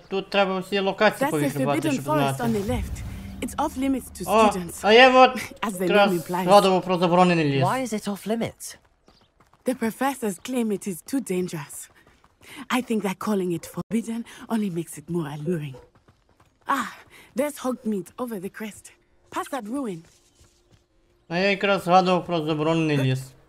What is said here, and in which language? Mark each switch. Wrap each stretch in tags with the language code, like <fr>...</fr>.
<uk>Тут треба всі локації повідомляти.</uk> <en>That's the forbidden forest on the left. It's off limits to students.</en> <ru>А я вот</ru> <en>as the name implies.</en> <uk>Згадував про заборонений ліс.</uk> <en>Why is it off limits? The professors claim it is too dangerous. I think that calling it forbidden only makes it more alluring. Ah, there's Hogsmeade over the crest, past that ruin.</en> <uk>А я якраз згадував про заборонений ліс.</uk>